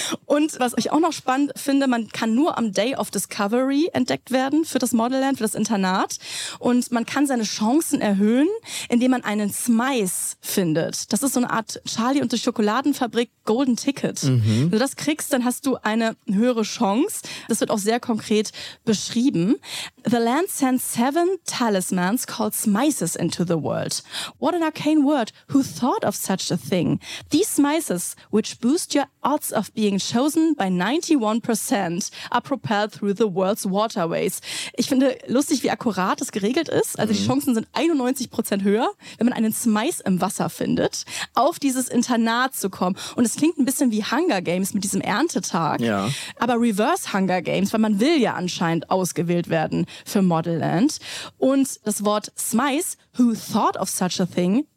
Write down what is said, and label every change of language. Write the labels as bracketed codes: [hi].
[de] Und was ich auch noch spannend finde, man kann nur am Day of Discovery entdeckt werden für das Modelland, für das Internat. Und man kann seine Chancen erhöhen, indem man einen Smice findet. Das ist so eine Art Charlie und die Schokoladenfabrik Golden Ticket. Wenn du das kriegst, dann hast du eine höhere Chance. Das wird auch sehr konkret beschrieben. [en] The land sends 7 talismans called smices into the world. What an arcane word. Who thought of such a thing? These smices, which boost your odds of being chosen by 91%, are propelled through the world's waterways. [de] Ich finde lustig, wie akkurat es geregelt ist. Also die Chancen sind 91% höher, wenn man einen Smice im Wasser findet, auf dieses Internat zu kommen. Und es klingt ein bisschen wie Hunger Games mit diesem Erntetag. Ja. Aber Reverse Hunger Games, weil man will ja anscheinend ausgewählt werden für Modelland. Und das Wort Smice, [en] who thought of such a thing,